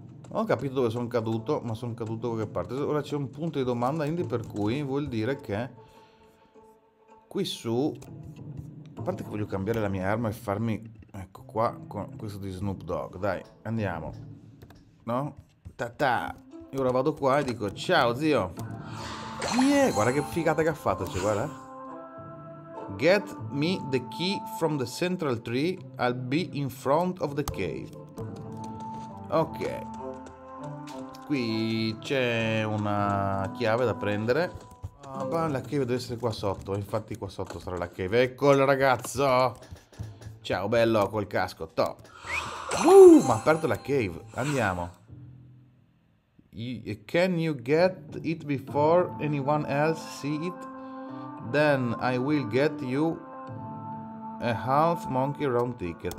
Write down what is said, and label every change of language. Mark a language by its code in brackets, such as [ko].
[it] Non ho capito dove sono caduto, ma sono caduto da qualche parte. Ora c'è un punto di domanda, quindi per cui vuol dire che qui su, a parte che voglio cambiare la mia arma e farmi, ecco qua, con questo di Snoop Dogg. Dai, andiamo. No? Ta-ta. E ora vado qua e dico ciao zio. Yeah, guarda che figata che ha fatto, cioè, guarda. [en] Get me the key from the central tree, I'll be in front of the cave. Ok. [it] Qui c'è una chiave da prendere. Ah, ma la cave deve essere qua sotto, infatti qua sotto sarà la cave. Ecco il ragazzo! Ciao, bello, col casco, top. Ma ha aperto la cave, andiamo. [en] Can you get it before anyone else see it? Then I will get you a half monkey round ticket.